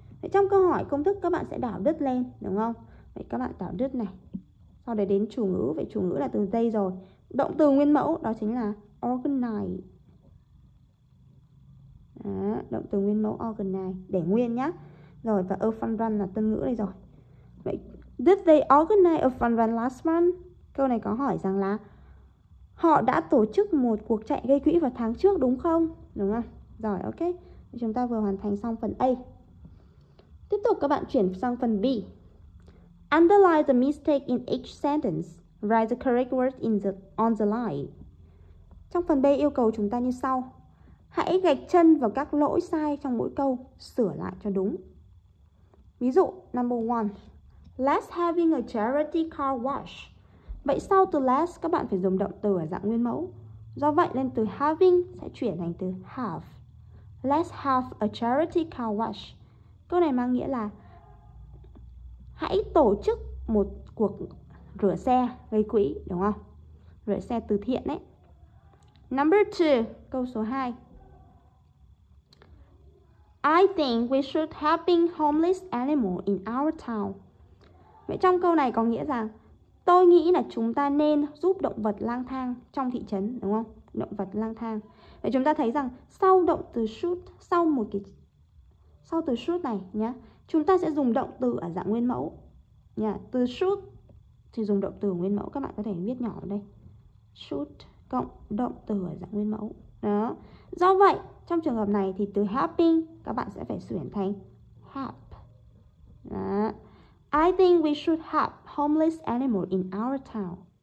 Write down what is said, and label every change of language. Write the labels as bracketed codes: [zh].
[vi] Vậy trong câu hỏi công thức các bạn sẽ đảo đứt lên, đúng không? Vậy các bạn đảo đứt này. Sau đấy đến chủ ngữ, vậy chủ ngữ là từ đây rồi. Động từ nguyên mẫu đó chính là organize. Đó, động từ nguyên mẫu organize, để nguyên nhá. Rồi, và [en] a fun run [vi] là tân ngữ đây rồi. Vậy, [en] did they organize a fun run last month? [vi] Câu này có hỏi rằng là họ đã tổ chức một cuộc chạy gây quỹ vào tháng trước đúng không? Đúng không? Rồi, ok. Chúng ta vừa hoàn thành xong phần A. Tiếp tục các bạn chuyển sang phần B. [en] Underline the mistake in each sentence. Write the correct word on the line. [vi] Trong phần B yêu cầu chúng ta như sau. Hãy gạch chân vào các lỗi sai trong mỗi câu, sửa lại cho đúng. Ví dụ, [en] number one. Let's having a charity car wash. [vi] Vậy sau từ last các bạn phải dùng động từ ở dạng nguyên mẫu. Do vậy lên từ having sẽ chuyển thành từ have. [en] Let's have a charity car wash. [vi] Câu này mang nghĩa là hãy tổ chức một cuộc rửa xe gây quỹ, đúng không? Rửa xe từ thiện ấy. [en] Number 2, [vi] câu số 2. [en] I think we should helping homeless animal in our town. [vi] Vậy trong câu này có nghĩa rằng tôi nghĩ là chúng ta nên giúp động vật lang thang trong thị trấn, đúng không? Động vật lang thang. Vậy chúng ta thấy rằng sau động từ should, sau một cái sau từ should này nhá, chúng ta sẽ dùng động từ ở dạng nguyên mẫu nhá. Từ should thì dùng động từ nguyên mẫu, các bạn có thể viết nhỏ ở đây. Should cộng động từ ở dạng nguyên mẫu. Đó. Do vậy, trong trường hợp này thì từ helping các bạn sẽ phải chuyển thành help. Đó. [en] I think we should help homeless animal in our town.